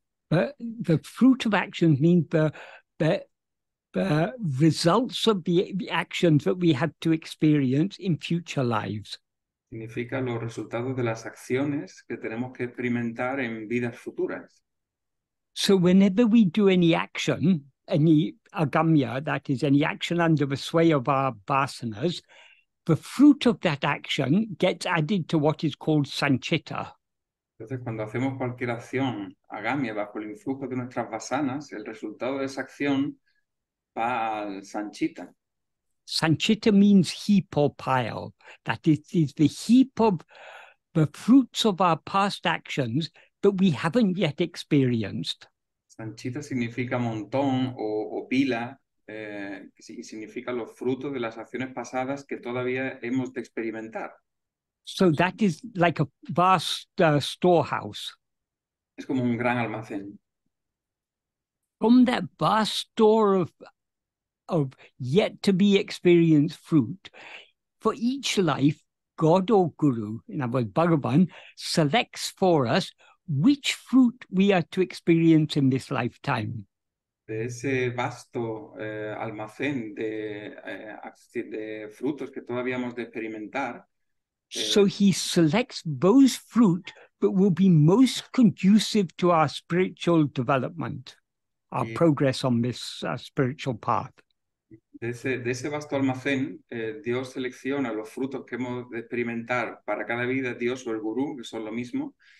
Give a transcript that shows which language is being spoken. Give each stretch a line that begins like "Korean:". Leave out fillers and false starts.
English: The fruit of actions means the results of the actions that we have to experience in future lives.
Spanish: Significa los resultados de las acciones que tenemos que experimentar en vidas futuras.
English: So whenever we do any action, any agamya, that is any action under the sway of our vasanas, the fruit of that action gets added to what is called sanchitta.
Spanish: Entonces, cuando hacemos cualquier acción agamya bajo el influjo de nuestras vasanas, el resultado de esa acción va al sanchitta.
English: Sanchitta means heap or pile. That is the heap of the fruits of our past actions that we haven't yet experienced.
Spanish: Sanchitta significa montón o pila, y significa los frutos de las acciones pasadas que todavía hemos de experimentar.
English: So that is like a vast storehouse.
Spanish: Es como un gran almacén.
English: From that vast store of yet to be experienced fruit, for each life, God or Guru, in other words, Bhagavan, selects for us which fruit we are to experience in this lifetime.
Spanish: De ese vasto almacén de frutos que todavía hemos de experimentar.
English: So he selects those fruit that will be most conducive to our spiritual development, our progress on this spiritual path.
Spanish: De ese vasto almacén, Dios selecciona los frutos que hemos de experimentar para cada vida, Dios o el Gurú, que son lo mismo.